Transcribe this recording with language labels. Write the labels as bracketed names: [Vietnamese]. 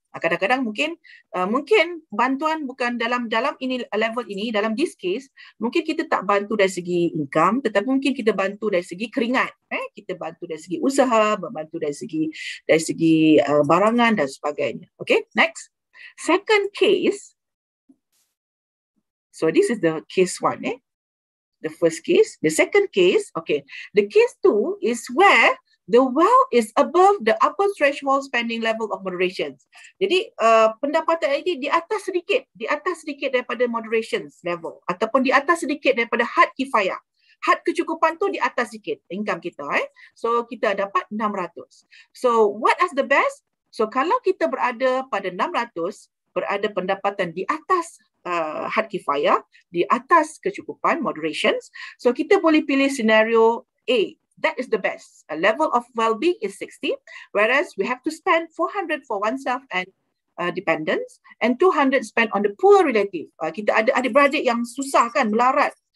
[Malay] Kadang-kadang mungkin bantuan bukan dalam ini level ini, dalam this case mungkin kita tak bantu dari segi income, tetapi mungkin kita bantu dari segi keringat, eh, kita bantu dari segi usaha, membantu dari segi barangan dan sebagainya. [English] Okay, next, second case. So this is the case one, eh, the first case, the second case. Okay, the case two is where the wealth is above the upper threshold spending level of moderations. [Malay] Jadi pendapatan ini di atas sedikit daripada moderations level, ataupun di atas sedikit daripada had kifayah. Had kecukupan tu di atas sedikit income kita, eh. So kita dapat 600. [English] So what is the best? [Malay] So kalau kita berada pada 600, berada pendapatan di atas had kifayah, di atas kecukupan moderations, so kita boleh pilih scenario A. [English] That is the best. A level of well-being is 60, whereas we have to spend 400 for oneself and dependents, and 200 spend on the poor relative. [Malay] Kita ada adik-beradik yang susah, kan, melarat.